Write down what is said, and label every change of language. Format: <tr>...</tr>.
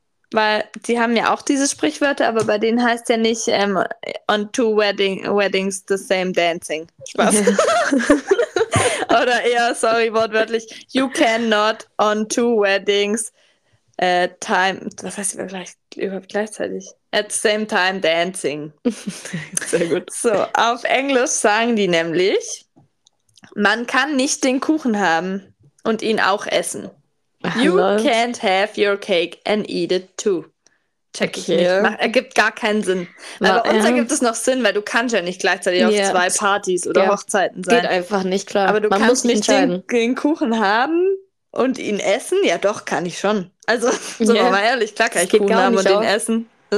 <de>Weil die haben ja auch diese Sprichwörter, aber bei denen heißt ja nicht</de> <en>on 2 weddings the same dancing.</en> <de>Spaß. Oder eher, sorry, wortwörtlich,</de> <en>you cannot on 2 weddings</en> <de>was heißt überhaupt gleichzeitig?</de> <en>At the same time dancing.</en> <de>Sehr gut. So, auf Englisch sagen die nämlich, man kann nicht den Kuchen haben und ihn auch essen.</de> <en>You can't have your cake and eat it too.</en> <de>Check ich nicht. Ergibt gar keinen Sinn. Aber bei uns ergibt es noch Sinn, weil du kannst ja nicht gleichzeitig auf 2 Partys oder Hochzeiten sein. Geht einfach nicht, klar. Aber du Man kannst muss nicht den Kuchen haben und ihn essen. Ja doch, kann ich schon. Also, sagen wir mal ehrlich, klar kann ich Kuchen haben und ihn essen.</de>